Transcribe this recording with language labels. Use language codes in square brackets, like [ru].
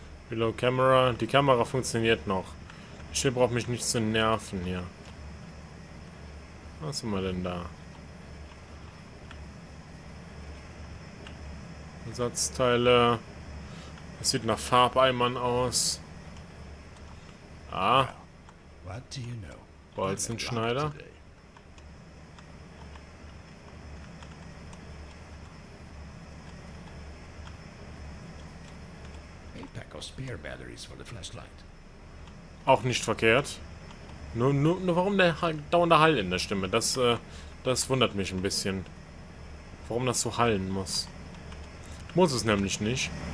[de] Reload Camera. Die Kamera funktioniert noch. Ich brauche mich nicht zu nerven hier. Was sind wir denn da? Ersatzteile. Das sieht nach Farbeimern aus. Ah. [en] What do you know? [de] Bolzenschneider. [en] A pack of spare batteries for the flashlight. [de] Auch nicht verkehrt. Nur warum der dauernde Hall in der Stimme? Das wundert mich ein bisschen. Warum das so hallen muss. Muss es nämlich nicht.